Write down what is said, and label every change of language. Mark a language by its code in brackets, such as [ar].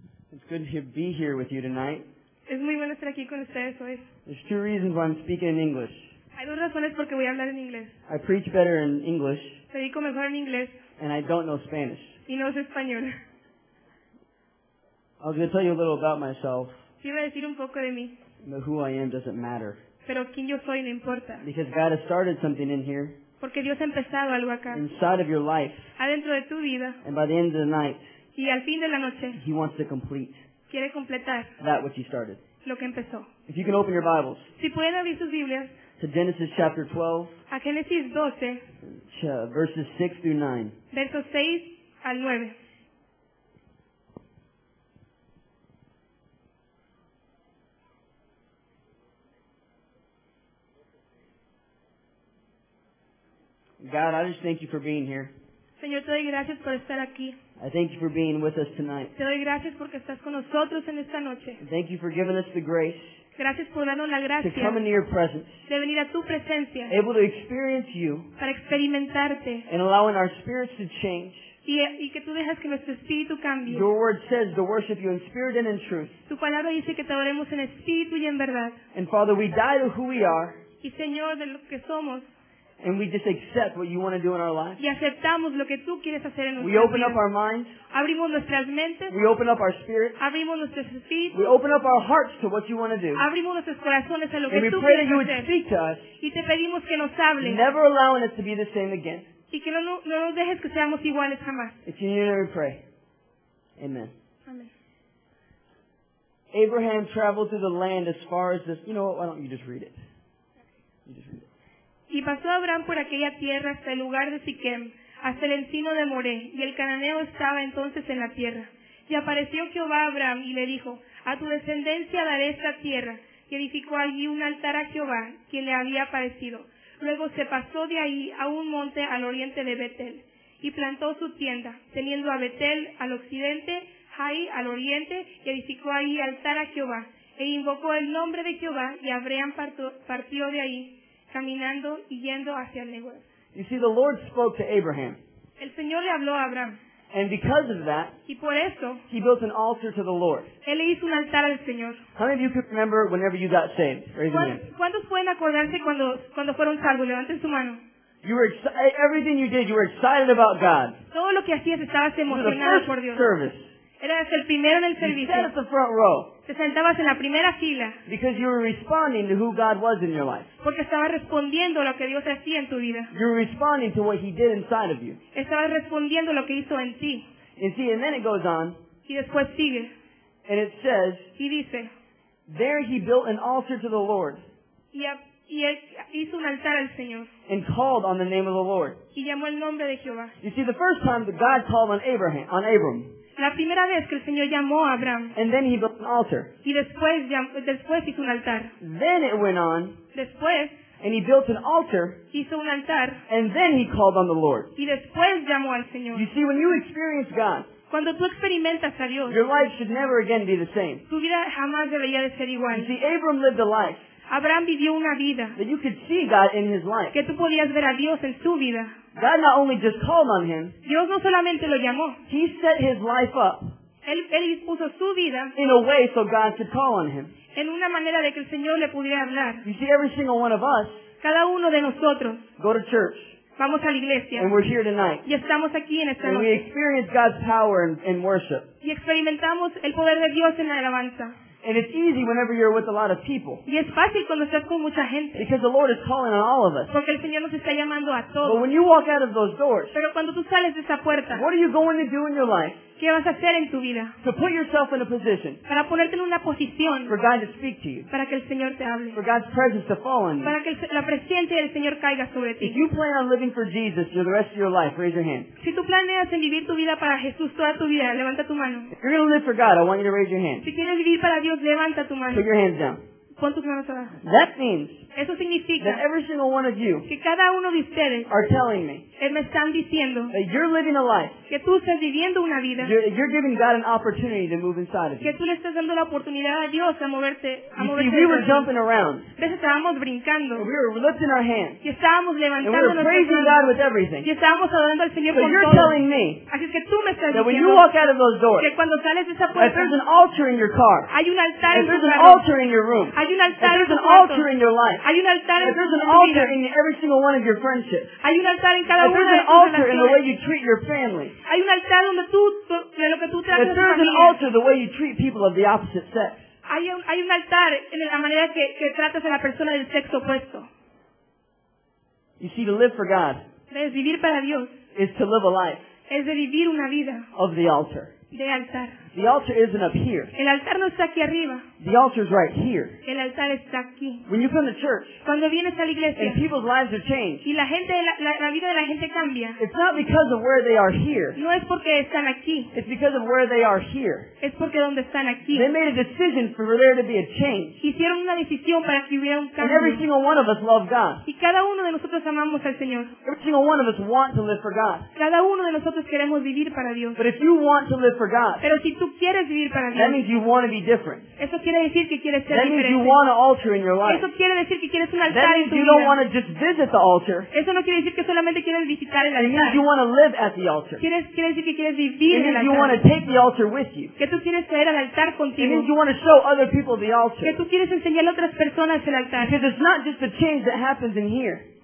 [en] It's good to be here with you tonight. [es] Es muy bueno estar aquí con ustedes hoy. [en] There's 2 reasons why I'm speaking in English. [es] Hay dos razones porque voy a hablar en inglés. [en] I preach better in English. [es] Predico mejor en inglés. [en] And I don't know Spanish. [es] Y no sé español. [en] I was going to tell you a little about myself. [es] Sí, voy a decir un poco de mí. [en] But who I am doesn't matter. [es] Pero quién yo soy no importa. [en] Because God has started something in here. [es] Porque Dios ha empezado algo acá. [en] Inside of your life. [es] Adentro de tu vida. [en] And by the end of the night. [es] Y al fin de la noche. [en] He wants to complete. [es] Quiere completar. [en] That which he started. [es] Lo que empezó. [en] If you can open your Bibles. [es] Si pueden abrir sus Biblias. [en] To Genesis chapter 12, [es] a Génesis 12, [en] verses 6 through 9. [es] Versos 6 al 9. [en] God, I just thank you for being here. [es] Señor, te doy gracias por estar aquí. [en] I thank you for being with us tonight. [es] Te doy gracias porque estás con nosotros en esta noche. [en] Thank you for giving us the grace. [es] Gracias por darnos la gracia [en] to come into your presence, [es] de venir a tu presencia, [en] able to experience you, [es] para experimentarte, [en] and allowing our spirits to change. [es] Y que tú dejas que nuestro espíritu cambie. [en] Your word says to worship you in spirit and in truth. [es] Tu palabra dice que te adoremos en espíritu y en verdad. [en] And Father, we die to who we are. [es] Y Señor, de lo que somos. [en] And we just accept what you want to do in our lives. [es] Y aceptamos lo que tú quieres hacer en nuestras vidas. [en] We open up our minds. [es] Abrimos nuestras mentes. [en] We open up our spirits. [es] Abrimos nuestros espíritus. [en] We open up our hearts to what you want to do. [es] Abrimos nuestros corazones a lo [en] and [es] que tú quieres hacer. [en] And we pray that you would speak to us. [es] Y te pedimos que nos hable. [en] Never allowing us to be the same again. [es] Y que no nos dejes que seamos iguales jamás. [en] It's in your name we pray. Amen. Amen. Abraham traveled through the land as far as this. You know what? Why don't you just read it? [es] Y pasó Abraham por aquella tierra hasta el lugar de Siquem, hasta el encino de Moré, y el cananeo estaba entonces en la tierra. Y apareció Jehová a Abraham y le dijo, a tu descendencia daré esta tierra, y edificó allí un altar a Jehová, quien le había aparecido. Luego se pasó de ahí a un monte al oriente de Betel, y plantó su tienda, teniendo a Betel al occidente, Jai al oriente, y edificó allí altar a Jehová, e invocó el nombre de Jehová, y Abraham partió de ahí, caminando y yendo hacia el Negev. [en] You see, the Lord spoke to Abraham. [es] El Señor le habló a Abraham. [en] And because of that, [es] y por eso, [en] he built an altar to the Lord. [es] Él hizo un altar al Señor. [en] How many of you can remember whenever you got saved? Raise your hand. [es] ¿Cuántos pueden acordarse cuando fueron salvos? Levanten su mano. [en] You were everything you did, you were excited about God. [es] Todo lo que hacías, estabas emocionado por Dios. [en] Service. [es] Eras el primero en el servicio. [en] You sat at the front row. [es] Te sentabas en la primera fila. [en] Because you were responding to who God was in your life. [es] Porque estabas respondiendo lo que Dios hacía en tu vida. [en] You were responding to what He did inside of you. [es] Estabas respondiendo lo que hizo en ti. [en] And see, and then it goes on. [es] Y después sigue. [en] And it says. [es] Y dice. [en] There he built an altar to the Lord. [es] Y hizo un altar al Señor. [en] And called on the name of the Lord. [es] Y llamó el nombre de Jehová. [en] You see, the first time that God called on Abraham, on Abram. [es] La primera vez que el Señor llamó a Abraham. [en] And then he built an altar. [es] Y después hizo un altar. [en] Then it went on. [es] Después. [en] And he built an altar. [es] Hizo un altar. [en] And then he called on the Lord. [es] Y después llamó al Señor. [en] You see, when you experience God. [es] Cuando tú experimentas a Dios. [en] Your life should never again be the same. [es] Tu vida jamás debería de ser igual. [en] You see, Abram lived a life. [es] Abraham vivió una vida. [en] That you could see God in his life. [es] Que tú podías ver a Dios en su vida. [en] God not only just called on him. [es] Dios no solamente lo llamó. [en] He set his life up. [es] Él puso su vida. [en] In a way so God could call on him. [es] En una manera de que el Señor le pudiera hablar. [en] You see, every single one of us. [es] Cada uno de nosotros. [en] Go to church. [es] Vamos a la iglesia. [en] And we're here tonight. [es] Y estamos aquí en esta [en] and [es] noche. [en] We experience God's power in worship. [es] Y experimentamos el poder de Dios en la alabanza. [en] And it's easy whenever you're with a lot of people. [es] Y es fácil cuando estás con mucha gente. [en] Because the Lord is calling on all of us. [es] Porque el Señor nos está llamando a todos. [en] But when you walk out of those doors, [es] pero cuando tú sales de esa puerta, [en] what are you going to do in your life? [es] ¿Qué vas a hacer en tu vida? [en] To put yourself in a position. [es] Para ponerte en una posición. [en] For God to speak to you. [es] Para que el Señor te hable. [en] For God's presence to fall on you. [es] Para que la presencia del Señor caiga sobre ti. [en] If you plan on living for Jesus for the rest of your life, raise your hand. [es] Si tú planeas en vivir tu vida para Jesús toda tu vida, levanta tu mano. [en] If you're going to live for God, I want you to raise your hand. [es] Si quieres vivir para Dios, levanta tu mano. [en] Put your hands down. [es] Pon tus manos abajo. [en] That means. [es] Eso significa [en] that every single one of you [es] que cada uno de ustedes [en] are telling me, [es] me están diciendo [en] that you're living a life, [es] que tú estás viviendo una vida, [en] you're giving God an opportunity to move inside of you. [es] Que tú le estás dando la oportunidad a Dios a moverte, a [en] you [es] moverte [en] see, we were jumping around, [es] estábamos brincando, [en] we were lifting our hands, [es] y estábamos levantando [en] and we were praising [es] manos, [en] God with everything. [es] Y estábamos adorando al Señor [en] so [es] con [en] you're [es] todo. [en] Telling me [es] así es que tú me estás [en] that [es] diciendo [en] when you walk out of those doors, [es] que cuando sales de esa puerta, [en] if there's an altar in your car, [es] hay un altar [en] if there's [es] en tu [en] an altar in your room, [es] hay un altar [en] if there's [es] en tu [en] an altar in your life, [es] hay un altar [en] if there's an altar in every single one of your friendships, [es] hay un altar en cada [en] if there's an altar in the way you treat your family, [es] hay un altar donde tú, de lo que tú tratas [en] if there's an altar the way you treat people of the opposite sex, [es] hay un altar en la manera que tratas a la persona del sexo opuesto. [en] You see, to live for God [es] es vivir para Dios, [en] is to live a life [es] es de vivir una vida [en] of the altar. [es] De altar. [en] The altar isn't up here. [es] El altar no está aquí arriba. [en] The altar is right here. [es] El altar está aquí. [en] When you come to church, [es] cuando vienes a la iglesia, [en] and people's lives are changed, [es] y la vida de la gente cambia, [en] it's not because of where they are here. [es] No es porque están aquí. [en] It's because of where they are here. [es] Es porque donde están aquí. [en] They made a decision for there to be a change. [es] Hicieron una decisión para que hubiera un cambio. [en] And every single one of us love God. [es] Y cada uno de nosotros amamos al Señor. [en] Every single one of us want to live for God. [es] Cada uno de nosotros queremos vivir para Dios. [en] But if you want to live for God, [es] pero si tú quieres vivir para Dios, [en] that means you want to be different. [es] Eso quiere decir que quieres ser [en] that [es] diferente. [en] That means you want an altar in your life. [es] Eso quiere decir que quieres un altar [en] that means [es] en tu [en] you [es] vida. [en] Don't want to just visit the altar. [es] Eso no quiere decir que solamente quieres visitar el altar. [en] It means you want to live at the altar. [es] Quiere decir que quieres vivir en el altar. [en] It means you want to take the altar with you. [es] Que tú quieres traer al altar contigo. [en] It means you want to show other people the altar. [es] Que tú quieres enseñarle a otras personas el altar. [en] Because it's not just a change that happens in here.